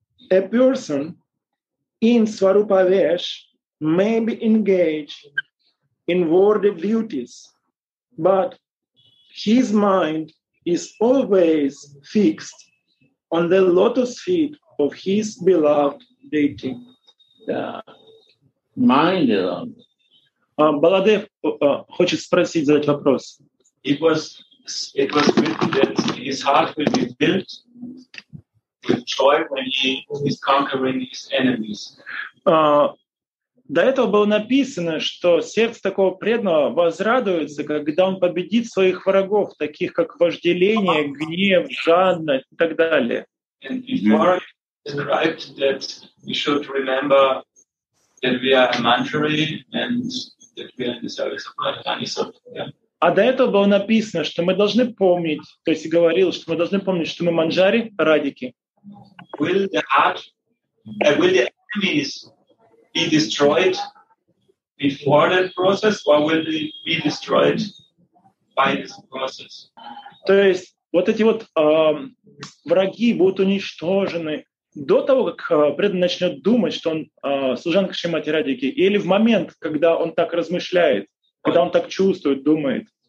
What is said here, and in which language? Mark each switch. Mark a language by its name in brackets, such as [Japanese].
[English] A person in Swarupa Vesh may be engaged in worldly duties, but his mind is always fixed on the lotus feet of his beloved deity. Mind. [Russian] Баладев хочет спросить, задать вопрос. [English] It was written that his heart will be filled with joy when he is conquering his enemies. [Russian] До этого было написано, что сердце такого преданного возрадуется, когда он победит своих врагов, таких как вожделение, гнев, жадность и так далее. [English] Described that we should remember that we are a Manjari and that we are in the service of Radhani Sattva. [Russian] А до этого было написано, что мы должны помнить, то есть говорил, что мы должны помнить, что мы Манджари Радики. [English] Will the heart, will the enemies be destroyed before that process, or will they be destroyed by this process? [Russian] То есть вот эти вот враги будут уничтожены до того, как преданный начнет думать, что он служанка Шримати Радики, или в момент, когда он так размышляет, когда он так чувствует, думает.